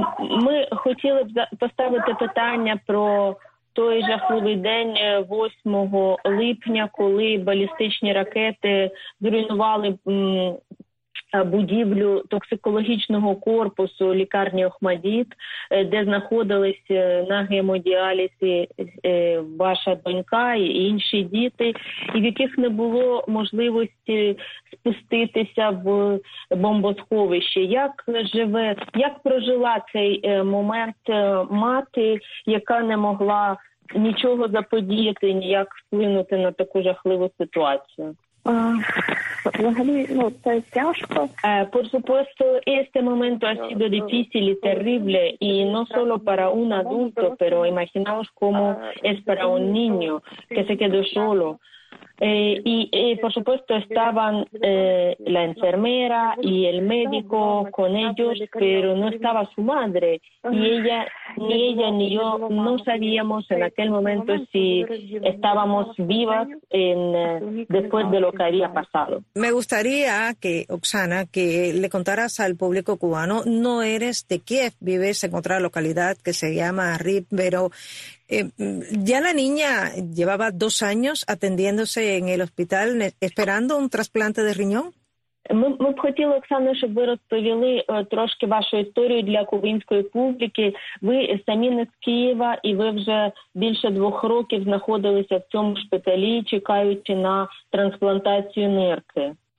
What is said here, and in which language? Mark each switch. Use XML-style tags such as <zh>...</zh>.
<uk>Ми хотіли б поставити питання про той жахливий день 8 липня, коли балістичні ракети зруйнували будівлю токсикологічного корпусу лікарні Охмадіт, де знаходилися на гемодіалізі ваша донька і інші діти, і в яких не було можливості спуститися в бомбосховище. Як прожила цей момент мати, яка не могла нічого заподіяти, ніяк вплинути на таку жахливу ситуацію? Взагалі, ну, це тяжко.</uk> <es>Por supuesto, este momento ha sido difícil y terrible, y no solo para un adulto, pero imaginaos cómo es para un niño que se quedó solo. Y por supuesto, estaban la enfermera y el médico con ellos, pero no estaba su madre. Y ella ni yo no sabíamos en aquel momento si estábamos vivas después de lo que había pasado. Me gustaría que, Oksana, que le contaras al público cubano, no eres de Kiev, vives en otra localidad que se llama Rib, pero ya la niña llevaba 2 años atendiéndose en el hospital esperando un trasplante de riñón.</es> <uk>Ми б хотіли, Оксано, щоб ви розповіли трошки вашу історію для кубинської публіки. Ви самі не з Києва, і ви вже більше 2 років знаходилися в цьому шпиталі, чекаючи на трансплантацію нирки.</uk>